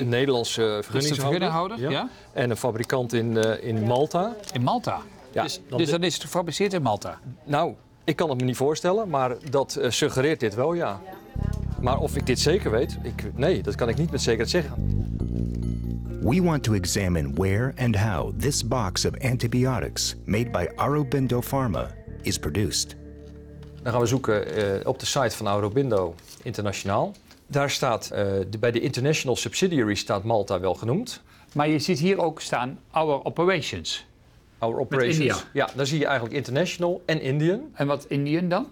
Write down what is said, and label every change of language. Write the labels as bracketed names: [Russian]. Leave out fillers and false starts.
[Dutch] Een Nederlandse vergunningshouder. Ja. Ja. En een fabrikant in Malta. In Malta? Ja. Dus dan is het gefabriceerd in Malta? Nou, ik kan het me niet voorstellen, maar dat suggereert dit wel, ja. Maar of ik dit zeker weet, nee, dat kan ik niet met zekerheid zeggen. [English] We want to examine where and how this box of antibiotics made by Aurobindo Pharma is produced. [Dutch] Dan gaan we zoeken op de site van Aurobindo internationaal. Daar staat, bij de [English] international subsidiary [Dutch] staat Malta wel genoemd. Maar je ziet hier ook staan [English] our operations. Our operations. [Dutch] Ja, daar zie je eigenlijk international en Indian. En wat Indian dan?